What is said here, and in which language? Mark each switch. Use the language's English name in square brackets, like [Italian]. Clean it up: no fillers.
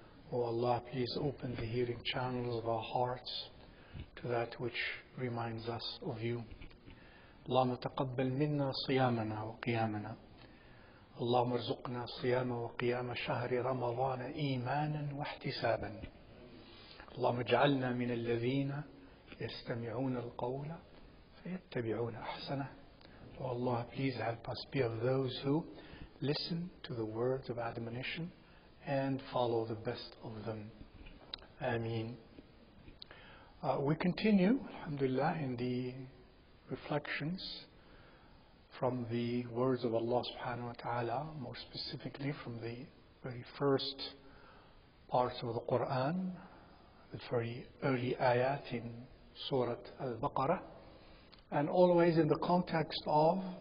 [English] Oh Allah, please open the hearing channels of our hearts to that which reminds us of you. [Arabic] اللهم تقبل منا صيامنا وقيامنا اللهم ارزقنا صيام وقيام شهر رمضان إيمانا واحتسابا اللهم اجعلنا من الذين يستمعون القول فيتبعون أحسنه والله [English] please help us be of those who listen to the words of admonition and follow the best of them. Ameen. We continue, alhamdulillah, in the reflections from the words of Allah subhanahu wa ta'ala, more specifically from the very first parts of the Quran, the very early ayat in Surah Al-Baqarah, and always in the context of